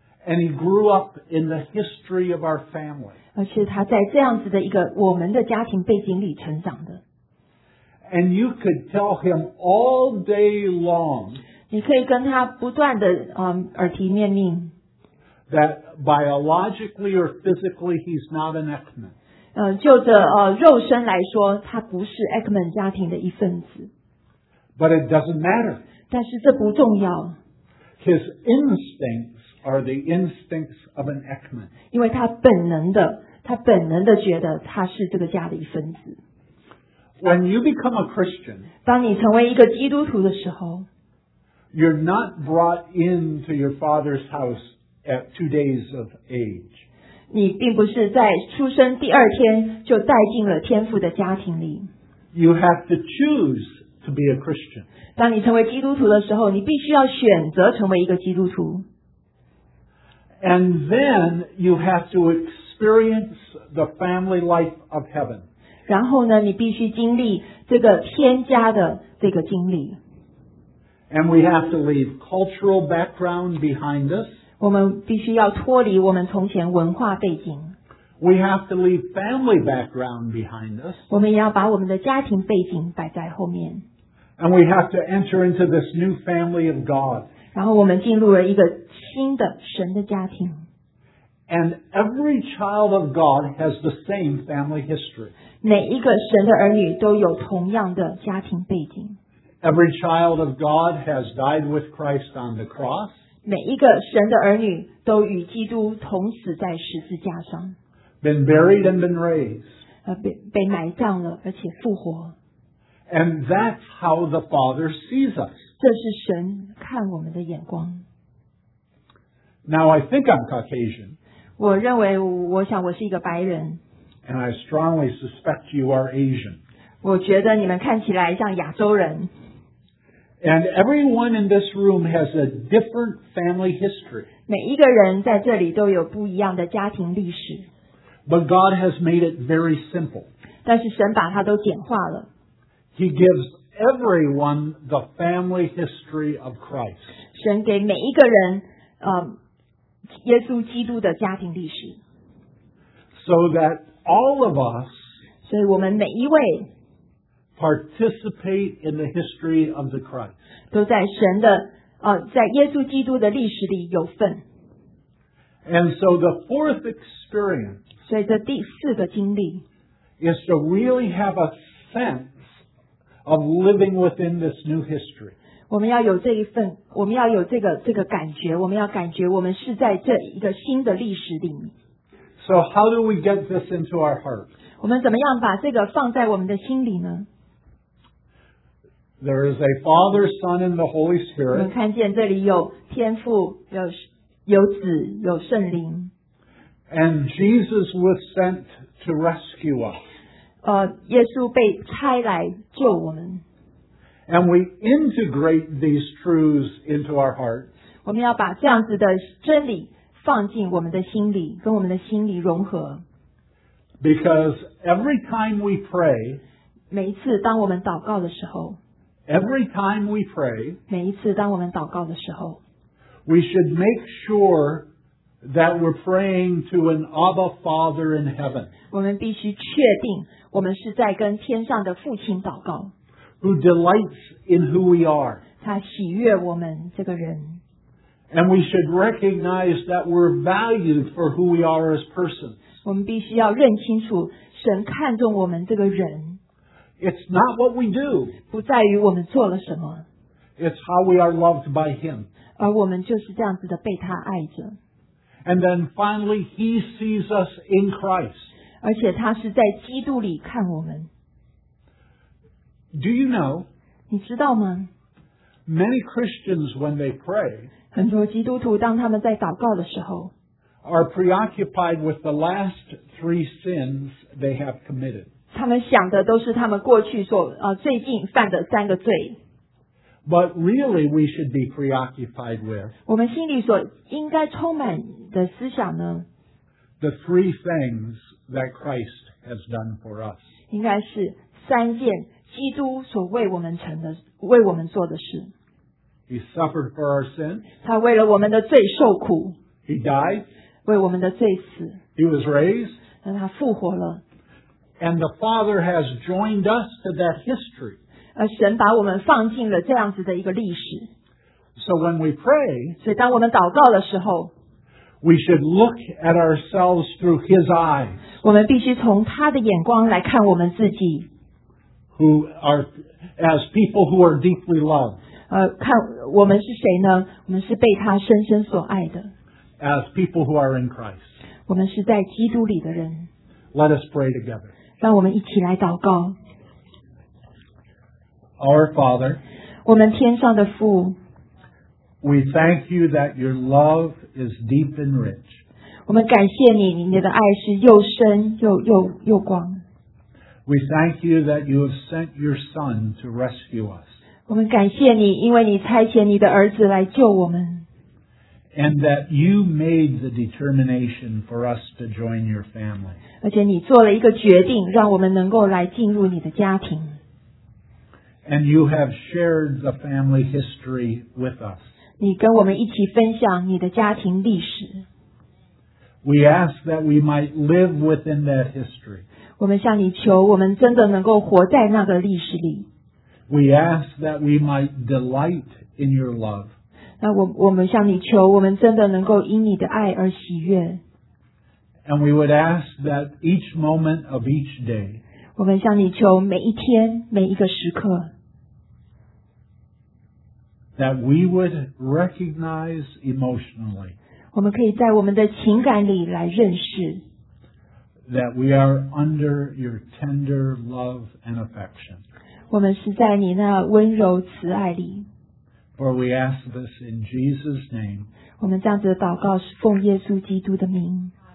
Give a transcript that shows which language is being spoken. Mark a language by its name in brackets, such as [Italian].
[English] And he grew up in the history of our family. [Chinese] 而且他在这样子的一个我们的家庭背景里成长的。 [English] And you could tell him all day long. [Chinese] 你可以跟他不断的耳提面命。 [English] That biologically or physically he's not an Ekman. [Chinese] 就着肉身来说，他不是 Ekman 家庭的一份子。 [English] But it doesn't matter. [Chinese] 但是这不重要。 [English] His instinct are the instincts of an Ekman. [Chinese] 因为他本能的觉得他是这个家的一份子。 [English] When you become a Christian, [Chinese] 当你成为一个基督徒的时候, [English] you're not brought into your father's house at 2 days of age. [Chinese] 你并不是在出生第二天就带进了天父的家庭里。 [English] You have to choose to be a Christian. [Chinese] 当你成为基督徒的时候，你必须要选择成为一个基督徒。 [English] And then you have to experience the family life of heaven. [Chinese] 然后呢，你必须经历这个天家的这个经历。 [English] And we have to leave cultural background behind us. [Chinese] 我们必须要脱离我们从前文化背景。 [English] We have to leave family background behind us. [Chinese] 我们也要把我们的家庭背景摆在后面。 [English] And we have to enter into this new family of God. [Chinese] 然后我们进入了一个新的神的家庭。 [English] And every child of God has the same family history. [Chinese] 每一个神的儿女都有同样的家庭背景。 [English] Every child of God has died with Christ on the cross. [Chinese] 每一个神的儿女都与基督同死在十字架上。 [English] Been buried and been raised. [Chinese] 被埋葬了而且复活。 [English] And that's how the Father sees us. [Chinese] 这是神看我们的眼光。 [English] Now I think I'm Caucasian. [Chinese] 我认为我想我是一个白人。 [English] And I strongly suspect you are Asian. [Chinese] 我觉得你们看起来像亚洲人。 [English] And everyone in this room has a different family history. [Chinese] 每一个人在这里都有不一样的家庭历史。 [English] But God has made it very simple. [Chinese] 但是神把它都简化了。 [English] He gives everyone the family history of Christ. [Chinese] 神给每一个人耶稣基督的家庭历史。 [English] So that all of us, [Chinese] 所以我们每一位 [English] participate in the history of the Christ, [Chinese] 都在神的在耶稣基督的历史里有份。 [English] And so the fourth experience, [Chinese] 所以这第四个经历 [English] is to really have a sense of living within this new history. [Chinese] 我们要有这一份，我们要有这个感觉，我们要感觉我们是在这一个新的历史里面。 [English] So how do we get this into our hearts? [Chinese] 我们怎么样把这个放在我们的心里呢？ [English] There is a Father, Son, and the Holy Spirit. [Chinese] 我们看见这里有天父，有子，有圣灵。 [English] And Jesus was sent to rescue us. [Chinese] 耶稣被差来救我们。 [English] And we integrate these truths into our hearts. [Chinese] 我们要把这样子的真理放进我们的心里，跟我们的心里融合。 [English] Because every time we pray, [Chinese] 每一次当我们祷告的时候， [English] every time we pray, [Chinese] 每一次当我们祷告的时候， [English] we should make sure that we're praying to an Abba Father in heaven. [Chinese] 我们必须确定我们是在跟天上的父亲祷告。 [English] Who delights in who we are. [Chinese] 他喜悦我们这个人。 [English] And we should recognize that we're valued for who we are as persons. [Chinese] 我们必须要认清楚神看重我们这个人。 [English] It's not what we do. [Chinese] 不在于我们做了什么。 [English] It's how we are loved by Him. [Chinese] 而我们就是这样子的被他爱着。 [English] And then finally, He sees us in Christ. [Chinese] 而且他是在基督里看我们。 [English] Do you know? [Chinese] 你知道吗? [English] Many Christians, when they pray, [Chinese] 很多基督徒当他们在祷告的时候, [English] are preoccupied with the last three sins they have committed. [Chinese] 他们想的都是他们过去所最近犯的三个罪。 [English] But really, we should be preoccupied with [Chinese] 我们心里所应该充满的思想呢? [English] The three things that Christ has done for us. [Chinese] 应该是三件基督所为我们成的，为我们做的事。 [English] He suffered for our sins. [Chinese] 他为了我们的罪受苦。 [English] He died. [Chinese] 为我们的罪死。 [English] He was raised. [Chinese] 让他复活了。 [English] And the Father has joined us to that history. [Chinese] 而神把我们放进了这样子的一个历史。 [English] So when we pray, [Chinese] 所以当我们祷告的时候， [English] we should look at ourselves through His eyes. [Chinese] 我们必须从他的眼光来看我们自己。 [English] Who are as people who are deeply loved? [Chinese] 看我们是谁呢？我们是被他深深所爱的。 [English] As people who are in Christ, [Chinese] 我们是在基督里的人。 [English] Let us pray together. [Chinese] 让我们一起来祷告。 [English] Our Father, [Chinese] 我们天上的父。 [English] We thank you that your love is deep and rich. [Chinese] 我们感谢你，你的爱是又深又广。 [English] We thank you that you have sent your Son to rescue us. [Chinese] 我们感谢你，因为你差遣你的儿子来救我们。 [English] And that you made the determination for us to join your family. [Chinese] 而且你做了一个决定，让我们能够来进入你的家庭。 [English] And you have shared the family history with us. [Chinese] 你跟我们一起分享你的家庭历史。 [English] We ask that we might live within that history. [Chinese] 我们向你求，我们真的能够活在那个历史里。 [English] We ask that we might delight in your love. [Chinese] 那我们向你求，我们真的能够因你的爱而喜悦。 [English] And we would ask that each moment of each day. [Chinese] 我们向你求每一天，每一个时刻。 [English] That we would recognize emotionally. [Chinese] 我们可以在我们的情感里来认识。 [English] That we are under your tender love and affection. [Chinese] 我们是在你那温柔慈爱里。 [English] For we ask this in Jesus' name. [Chinese] 我们这样子的祷告是奉耶稣基督的名。